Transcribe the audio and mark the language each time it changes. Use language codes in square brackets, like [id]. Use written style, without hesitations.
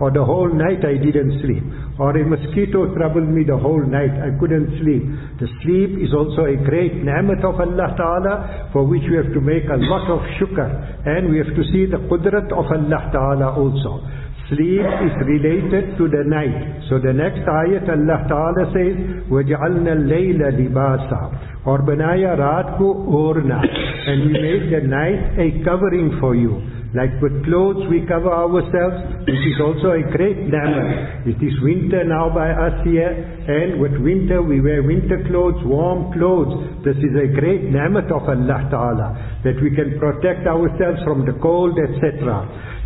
[en] Or the whole night I didn't sleep. Or a mosquito troubled me the whole night, I couldn't sleep. The sleep is also a great ni'mat of Allah Ta'ala, for which we have to make a lot of shukr. And we have to see the qudrat of Allah Ta'ala also. Sleep is related to the night. So the next ayat Allah Ta'ala says, [ar] وَجَعَلْنَا اللَّيْلَ لِبَاسًا [ur] اور بنایا رات کو اورنا. [en] And we made the night a covering for you. Like with clothes we cover ourselves, which is also a great ni'mat. It is winter now by us here, and with winter we wear winter clothes, warm clothes. This is a great ni'mat of Allah Ta'ala, that we can protect ourselves from the cold, etc.